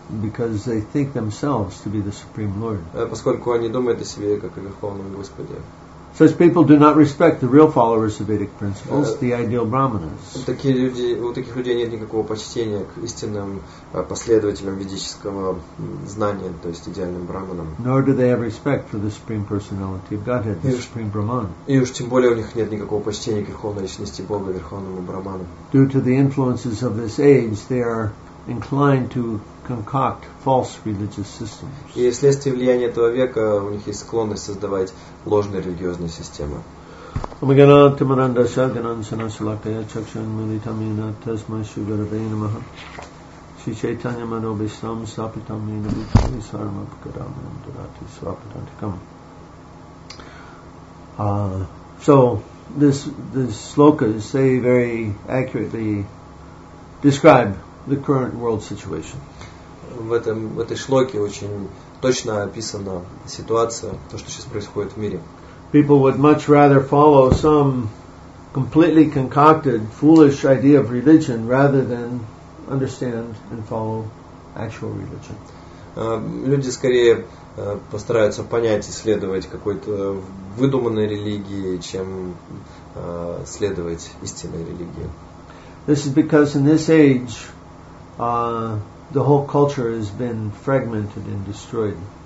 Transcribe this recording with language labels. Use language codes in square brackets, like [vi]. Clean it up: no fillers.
[en] because they think themselves to be the Supreme Lord, [ru] поскольку они думают о себе как о Верховном Господе. [en] Such people do not respect the real followers of Vedic principles, the ideal brahmanas. [ru] Такие люди, у таких людей нет никакого почтения к истинным последователям ведического знания, то есть идеальным браманам. [en] Nor do they have respect for the supreme personality of Godhead, the supreme brahman. [ru] И уж тем более у них нет никакого почтения к верховной личности Бога, верховному браману. [en] Due to the influences of this age, they are inclined to concoct false religious systems. [ru] И вследствие влияния этого века у них есть склонность создавать ложные религиозные системы. [sa] Омаганатта манандаса гананасана салакая чакшан мулитамина тасма шугарабей намаха Шри Чайтанья Мадобисам сапитамина бутали сармапкарамам дурати свапитантикам. [en] So this sloka is very accurately describe the current world situation. [ru] В этой шлоке очень точно описана ситуация, то, что сейчас происходит в мире. [en] People would much rather follow some completely concocted, foolish idea of religion rather than understand and follow actual religion. [ru] Люди скорее постараются понять и следовать какой-то выдуманной религии, чем следовать истинной религии. [en] This is because in this age the whole culture has been fragmented and destroyed.